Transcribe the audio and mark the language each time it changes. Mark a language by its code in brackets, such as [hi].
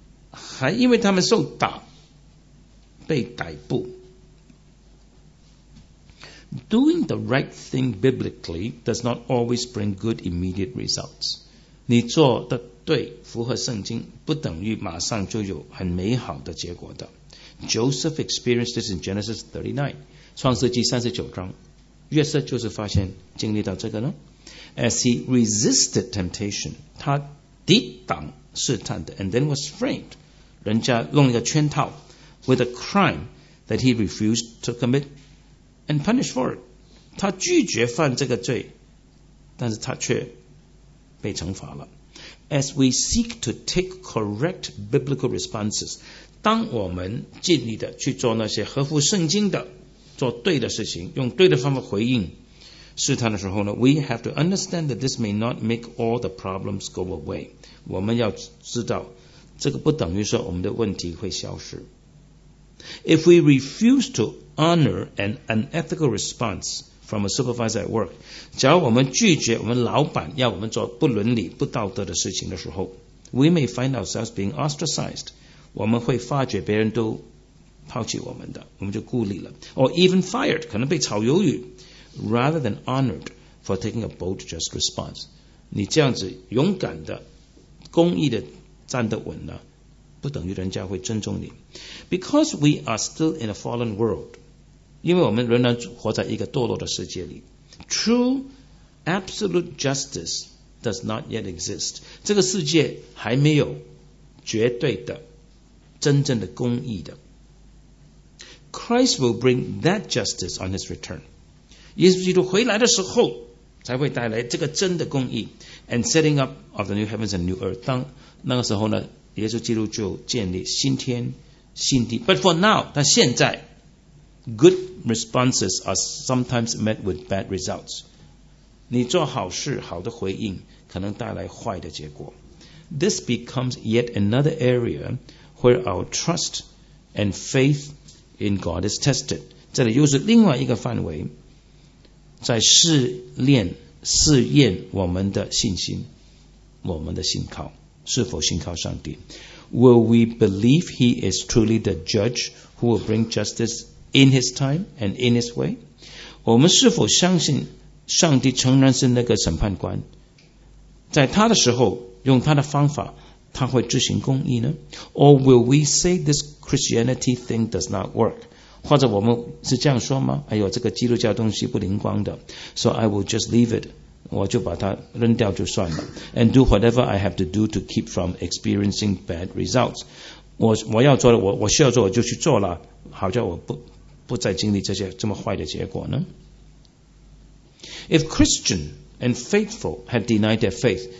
[zh] 还因为他们受打被逮捕 [en] Doing the right thing biblically does not always bring good immediate results [zh] 你做的对符合圣经不等于马上就有很美好的结果的 [en] Joseph experienced this in Genesis 39, [zh] 创世纪39章。约瑟就是发现经历到这个呢。 [en] As he resisted temptation, [zh] 他抵挡试探的 [en] and then was framed, [zh] 人家用一个圈套 [en] with a crime that he refused to commit and punished for it. [zh] 他拒绝犯这个罪但是他却被惩罚了。 [en] As we seek to take correct biblical responses, [zh] 当我们尽力的去做那些合乎圣经的做对的事情用对的方法回应试探的时候呢 [en] We have to understand that this may not make all the problems go away [zh] 我们要知道这个不等于说我们的问题会消失 [en] If we refuse to honor an unethical response from a supervisor at work [zh] 假如我们拒绝我们老板要我们做不伦理不道德的事情的时候 [en] We may find ourselves being ostracized [zh] 我们会发觉别人都抛弃我们的，我们就孤立了。 [en] Or even fired, [zh] 可能被炒鱿鱼。 [en] Rather than honored for taking a bold just response, [zh] 你这样子勇敢的公义的站得稳了，不等于人家会尊重你。 [en] Because we are still in a fallen world, [zh] 因为我们仍然活在一个堕落的世界里。 [en] True absolute justice does not yet exist, [zh] 这个世界还没有绝对的真正的公义的。 [en] Christ will bring that justice on his return, [zh] 耶稣基督回来的时候才会带来这个真的公义。 [en] And setting up of the new heavens and new earth, [zh] 当那个时候呢，耶稣基督就建立新天新地。 [en] But for now, [zh] 但现在 [en] good responses are sometimes met with bad results, [zh] 你做好事好的回应可能带来坏的结果。 [en] This becomes yet another area where our trust and faith in God is tested, [zh] 这里又是另外一个范围在试炼试验我们的信心，我们的信靠是否信靠上帝。 [en] Will we believe he is truly the judge who will bring justice in his time and in his way? [zh] 我们是否相信上帝仍然是那个审判官，在他的时候用他的方法他会执行公义呢？ [en] Or will we say this Christianity thing does not work? [zh] 或者我们是这样说吗？哎呦，这个基督教东西不灵光的， [en] So I will just leave it, [zh] 我就把它扔掉就算了。 [en] And do whatever I have to do to keep from experiencing bad results, [zh] 我要做的 我需要做我就去做了，好叫我 不再经历这些这么坏的结果呢？ [en] If Christian and faithful had denied their faith,